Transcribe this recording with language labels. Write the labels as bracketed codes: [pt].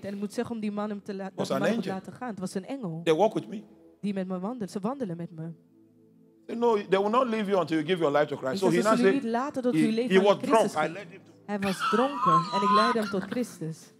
[nl] En moet zeggen om die man hem te laten. [en] Was an angel. [nl] Het was een engel. [en] They walk with me. [nl] Die met me wandelen. Ze wandelen met me. [en] No, they will not leave you until you give your life to Christ. So he now said, he was drunk. I led him to. [nl] Hij was dronken en ik leidde hem tot Christus.